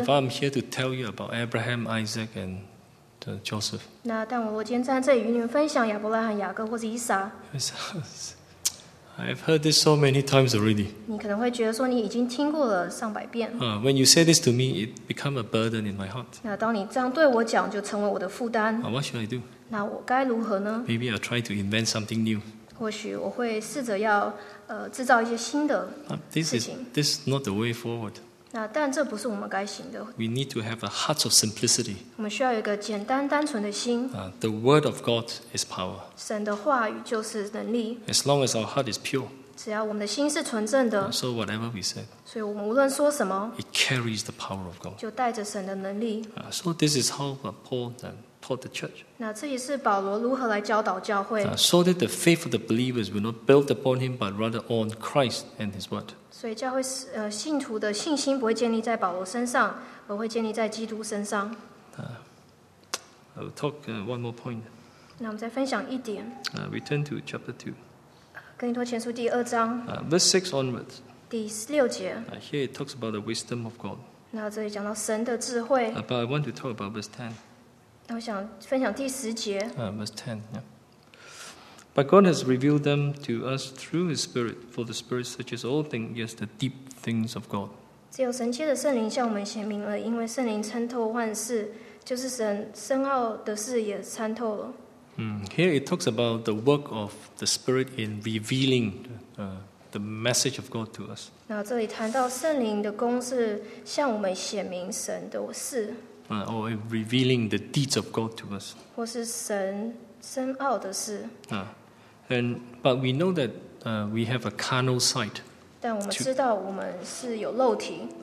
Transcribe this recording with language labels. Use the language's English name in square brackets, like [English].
[English] If I'm here to tell you about Abraham, Isaac, and Joseph, [Chinese] 那但我今天站在这里与你们分享亚伯拉罕、雅各或者以撒 [English] I've heard this so many times already. [Chinese] 你可能会觉得说你已经听过了上百遍。 [English] When you say this to me, it becomes a burden in my heart. [Chinese] 那当你这样对我讲，就成为我的负担。 [English] What should I do? [Chinese] 那我该如何呢 [English] ？Maybe I'll try to invent something new. [Chinese] 或许我会试着要制造一些新的事情。 [English] This is not the way forward. [Chinese] 那但这不是我们该行的。 [English] We need to have a heart of simplicity. [Chinese] 我们需要有一个简单单纯的心。 [English] The word of God is power. [Chinese] 神的话语就是能力。 [English] As long as our heart is pure. [Chinese] 只要我们的心是纯正的。 [English] So whatever we said. [Chinese] 所以我们无论说什么。 [English] It carries the power of God. [Chinese] 就带着神的能力。 [English] So this is how Paul then taught the church. [Chinese] 那这也是保罗如何来教导教会。 [English] So that the faith of the believers will not build upon him, but rather on Christ and his word. [Chinese] 所以教会信徒的信心不会建立在保罗身上，而会建立在基督身上。 [English] I will talk one more point. [Chinese] 那我们再分享一点。 [English] Return to chapter 2. [Chinese] 哥林多前书第二章。 [English] Verse 6 onwards. [Chinese] 第六节。 [English] Here it talks about the wisdom of God. [Chinese] 那这里讲到神的智慧。 [English] But I want to talk about verse 10. [Chinese] 那我想分享第十节。 [English] Verse 10, yeah. But God has revealed them to us through His Spirit, for the Spirit searches all things, yes, the deep things of God. [Chinese] 只有神借着圣灵向我们显明了，因为圣灵参透万事，就是神深奥的事也参透了。 [English] Here it talks about the work of the Spirit in revealing the message of God to us. [Chinese] 那这里谈到圣灵的工是向我们显明神的事。 [English] Or revealing the deeds of God to us. [Chinese] 或是神深奥的事。 [English] But we know that we have a carnal sight. [Chinese] 但我们知道我们是有肉体。